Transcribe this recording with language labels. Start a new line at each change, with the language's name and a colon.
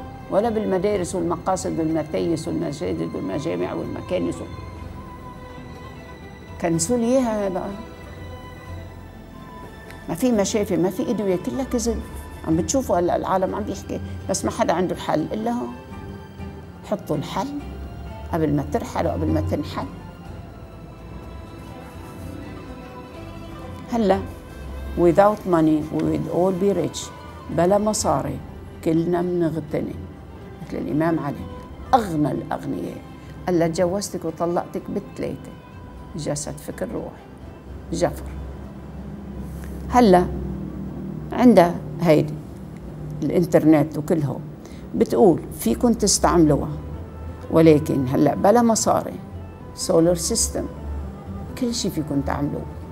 Arabic: ولا بالمدارس والمقاصد والمكيس والمساجد والمجامع والمكانس كنسول إياها بقى. ما في مشافي، ما في إدوية، كلها كذب. عم بتشوفوا هلا العالم عم بيحكي، بس ما حدا عنده الحل إلا هو. حطوا الحل قبل ما ترحلوا، قبل ما تنحل. هلا
English: without money we would all be rich،
Arabic: بلا مصاري كلنا منغتني. مثل الإمام علي، أغنى الأغنياء، قال تجوزتك وطلقتك بالثلاثة، جسد فكر روح جفر. هلا عندها هيدي الإنترنت وكله، بتقول فيكن تستعملوها، ولكن هلا بلا مصاري سولار سيستم، كل شيء فيكن تعملوه.